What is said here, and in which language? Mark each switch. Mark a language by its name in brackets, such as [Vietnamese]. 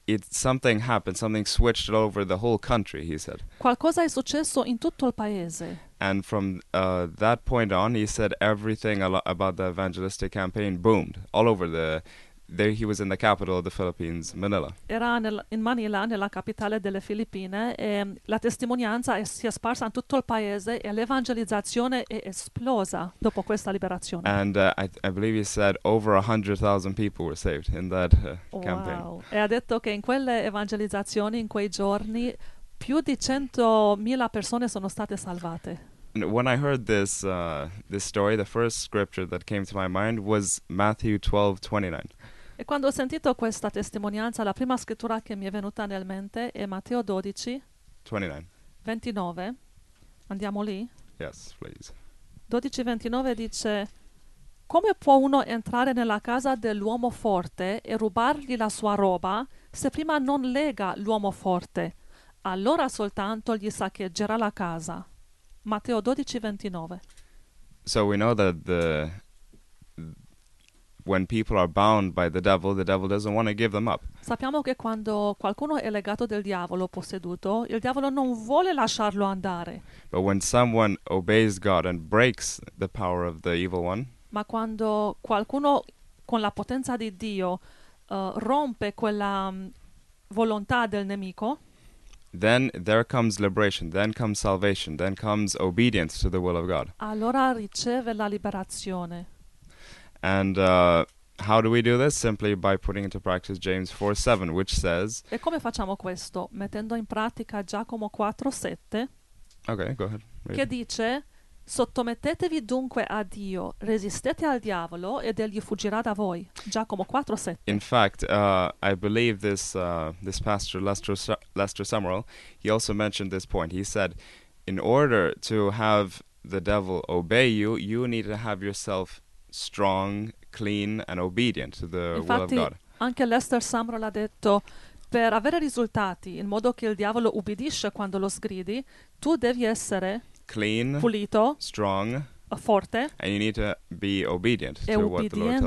[English] something happened, something switched over the whole country, he said. [Italian] Qualcosa è successo in tutto il paese. [English] And from that point on, he said everything about the evangelistic campaign boomed all over the. There he was in the capital of the Philippines, Manila. [Italian] Era in Manila, nella capitale delle Filippine, e la testimonianza si è sparsa in tutto il paese e l'evangelizzazione è esplosa dopo questa liberazione. [English] And I believe he said over 100,000 people were saved in that campaign. Wow. [Italian] E ha detto che in quelle evangelizzazioni, in quei giorni, più di 100,000 persone sono state salvate. [English] When I heard this this story, the first scripture that came to my mind was Matthew 12:29. [Italian] E quando ho sentito questa testimonianza, la prima scrittura che mi è venuta nel mente è Matteo 12, 29. Andiamo lì? [English] Yes, please. [Italian] 12:29 dice, come può uno entrare nella casa dell'uomo forte e rubargli la sua roba se prima non lega l'uomo forte? Allora soltanto gli saccheggerà la casa. Matteo 12:29. [English] So we know that when people are bound by the devil doesn't want to give them up. [Italian] Sappiamo che quando qualcuno è legato del diavolo, posseduto, il diavolo non vuole lasciarlo andare. [English] But when someone obeys God and breaks the power of the evil one. [Italian] Ma quando qualcuno con la potenza di Dio rompe quella volontà del nemico. [English] then there comes liberation, then comes salvation, then comes obedience to the will of God. [Italian] Allora riceve la liberazione. [English] And how do we do this? Simply by putting into practice James 4:7, which says... [Italian] E come facciamo questo? Mettendo in pratica Giacomo 4:7. [English] Okay, go ahead. Read. [Italian] Che dice, sottomettetevi dunque a Dio, resistete al diavolo ed egli fuggirà da voi. Giacomo 4:7. [English] In fact, I believe this this pastor, Lester Sumrall, he also mentioned this point. He said, in order to have the devil obey you, you need to have yourself strong, clean and obedient to the [Italian] Infatti, [English] will of God. [Italian] Anche Lester Sumrall ha detto, per avere risultati, in modo che il diavolo ubbidisce quando lo sgridi, tu devi essere [English] clean, [Italian] pulito, [English] strong, [Italian] forte, [English] and you need to be obedient to what the Lord tells you.